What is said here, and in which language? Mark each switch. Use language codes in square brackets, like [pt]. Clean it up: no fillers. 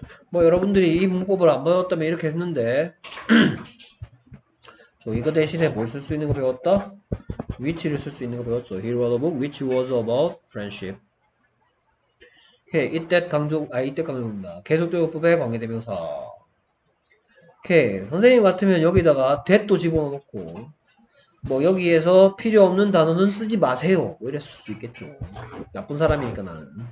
[ko] 뭐 여러분들이 이 문법을 안 배웠다면 이렇게 했는데 저 이거 대신에 뭘쓸수 있는 거 배웠다? which를 쓸수 있는 거 배웠죠. [en] He wrote a book which was about friendship. [ko] 오케이, okay, 이때 강조입니다. 계속적용법의 관계대명사. 오케이, okay, 선생님 같으면 여기다가 that도 집어넣고, 뭐 여기에서 필요 없는 단어는 쓰지 마세요. 뭐 이랬을 수도 있겠죠. 나쁜 사람이니까 나는.